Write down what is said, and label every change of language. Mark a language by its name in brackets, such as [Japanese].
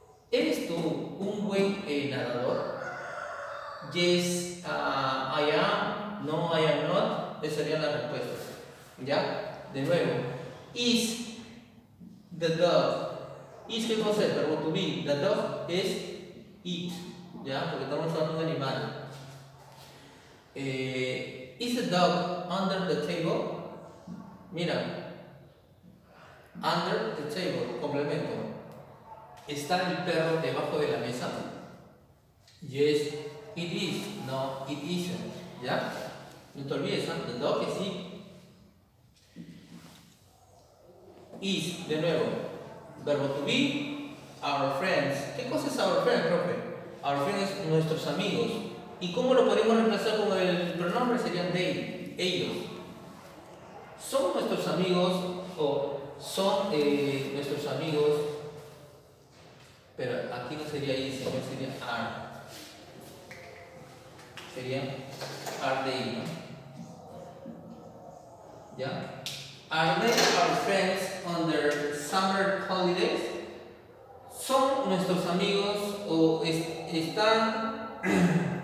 [Spanish] ¿Eres tú un buen nadador? [English] Yes, I am. No, I am not. [Spanish] Esa sería la respuesta. ¿Ya? De nuevo. [English] Is the dog. Is, [Spanish] ¿qué cosa es? Verbo [English] to be. The dog es it. [Spanish] ¿Ya? Porque estamos hablando de animal. [English] Is the dog under the table? [Spanish] Mira. [English] Under the table. [Spanish] Complemento. ¿Está el perro debajo de la mesa? [English] Yes, it is. No, it isn't. [Spanish] ¿Ya? No te olvides, ¿no? [English] The dog is it. Is, [Spanish] de nuevo. Verbo [English] to be. Our friends. [Spanish] ¿Qué cosa es our friend, profe? [English] Our friends, [Spanish] nuestros amigos. ¿Y cómo lo podemos reemplazar con el pronombre? Serían they, ellos. ¿Son nuestros amigos o son nuestros amigos? Pero aquí no sería ellos, sino sería are. Serían are they, ¿no? ¿Ya? [English] Are they our friends on their summer holidays? [Spanish] ¿Son nuestros amigos o están...